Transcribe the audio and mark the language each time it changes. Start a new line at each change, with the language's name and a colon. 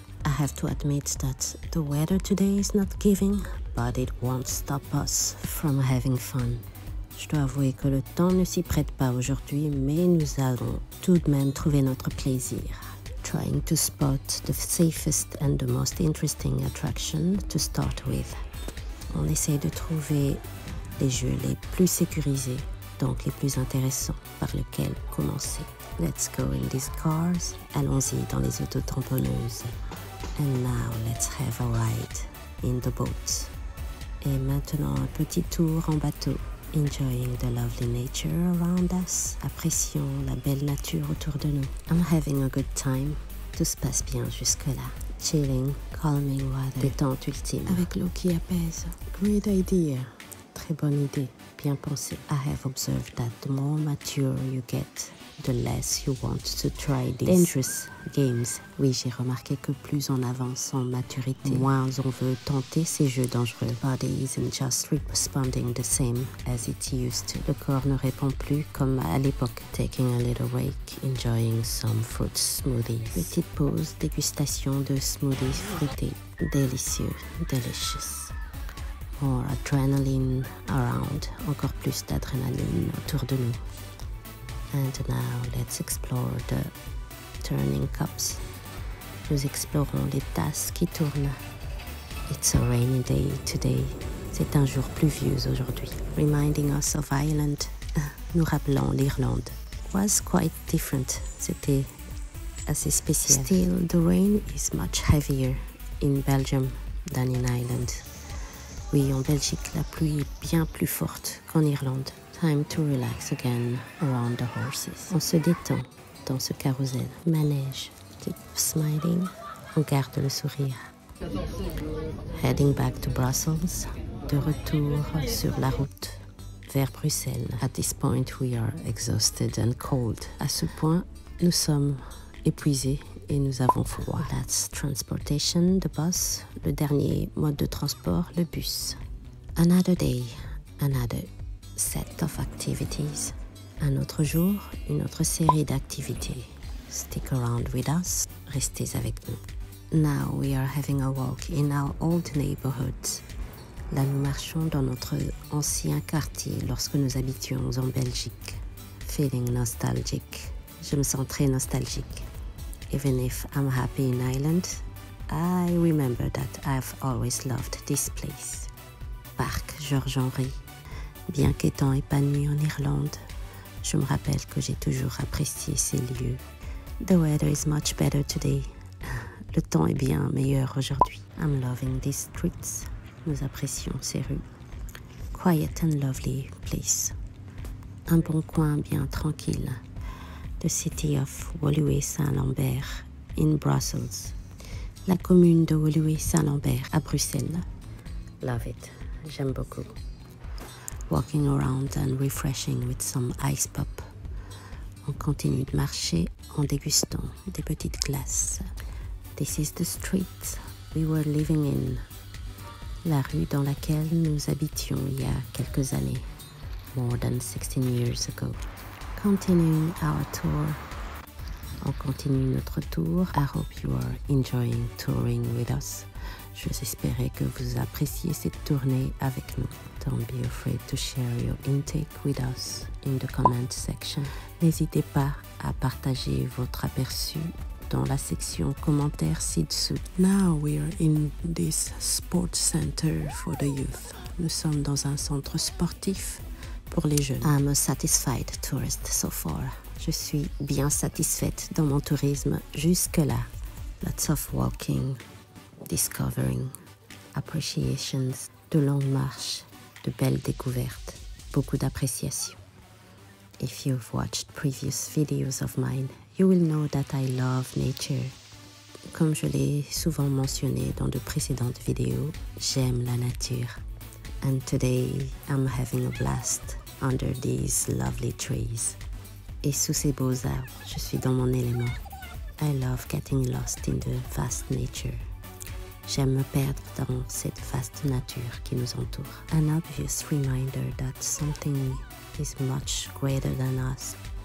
English: I have to admit that the weather today is not giving, but it won't stop us from having fun.
French: Je dois avouer que le temps ne s'y prête pas aujourd'hui, mais nous allons tout de même trouver notre plaisir.
English: Trying to spot the safest and the most interesting attraction to start with.
French: On essaie de trouver les jeux les plus sécurisés, donc les plus intéressants, par lesquels commencer.
English: Let's go in these cars.
French: Allons-y dans les autos tamponneuses.
English: And now let's have a ride in the boat.
French: Et maintenant un petit tour en bateau.
English: Enjoying the lovely nature around us.
French: Apprécions la belle nature autour de nous.
English: I'm having a good time.
French: Tout se passe bien jusque-là.
English: Chilling, calming water.
French: Détente ultime. Avec l'eau qui apaise.
English: Great idea.
French: Très bonne idée, bien pensé.
English: I have observed that the more mature you get, the less you want to try these dangerous games.
French: Oui, j'ai remarqué que plus on avance en maturité, moins on veut tenter ces jeux dangereux.
English: The body isn't just responding the same as it used to.
French: Le corps ne répond plus comme à l'époque.
English: Taking a little break, enjoying some fruit smoothies.
French: Petite pause, dégustation de smoothies fruités. Délicieux,
English: delicious. More adrenaline around,
French: encore plus d'adrénaline autour de nous.
English: And now let's explore the turning cups.
French: Nous explorons les tasses qui tournent.
English: It's a rainy day today.
French: C'est un jour pluvieux aujourd'hui.
English: Reminding us of Ireland.
French: Nous rappelons l'Irlande.
English: Was quite different.
French: C'était assez spécial.
English: Still, the rain is much heavier in Belgium than in Ireland.
French: Oui, en Belgique, la pluie est bien plus forte qu'en Irlande.
English: Time to relax again around the horses.
French: On se détend dans ce carrousel. Manège.
English: Keep smiling.
French: On garde le sourire.
English: Heading back to Brussels.
French: De retour sur la route vers Bruxelles.
English: At this point, we are exhausted and cold.
French: À ce point, nous sommes épuisés. Et nous avons froid.
English: That's transportation, the bus.
French: Le dernier mode de transport, le bus.
English: Another day, another set of activities.
French: Un autre jour, une autre série d'activités.
English: Stick around with us.
French: Restez avec nous.
English: Now we are having a walk in our old neighborhood.
French: Là, nous marchons dans notre ancien quartier lorsque nous habitions en Belgique.
English: Feeling nostalgic.
French: Je me sens très nostalgique.
English: Even if I'm happy in Ireland, I remember that I've always loved this place.
French: Parc George Henry. Bien qu'étant épanoui en Irlande, je me rappelle que j'ai toujours apprécié ces lieux.
English: The weather is much better today.
French: Le temps est bien meilleur aujourd'hui.
English: I'm loving these streets.
French: Nous apprécions ces rues.
English: Quiet and lovely place.
French: Un bon coin bien tranquille.
English: The city of Woluwe-Saint-Lambert in Brussels.
French: La commune de Woluwe-Saint-Lambert à Bruxelles.
English: Love it.
French: J'aime beaucoup.
English: Walking around and refreshing with some ice pop.
French: on continue de marcher en dégustant des petites glaces.
English: This is the street we were living in.
French: La rue dans laquelle nous habitions il y a quelques années.
English: More than 16 years ago. Continuing our tour.
French: On continue notre tour.
English: I hope you are enjoying touring with us.
French: Je vous espérais que vous appréciez cette tournée avec nous.
English: Don't be afraid to share your intake with us in the comment section.
French: N'hésitez pas à partager votre aperçu dans la section commentaires ci-dessous.
English: Now we are in this sports center for the youth.
French: Nous sommes dans un centre sportif pour les jeunes.
English: I'm a satisfied tourist so far.
French: Je suis bien satisfaite dans mon tourisme jusque-là.
English: Lots of walking, discovering, appreciations,
French: de longues marches, de belles découvertes, beaucoup d'appréciation.
English: If you've watched previous videos of mine, you will know that I love nature.
French: Comme je l'ai souvent mentionné dans de précédentes vidéos, j'aime la nature.
English: And today, I'm having a blast under these lovely trees.
French: Et sous ces beaux arbres, je suis dans mon élément.
English: I love getting lost in the vast nature.
French: J'aime me perdre dans cette vaste nature qui nous entoure.
English: An obvious reminder that something is much greater than us.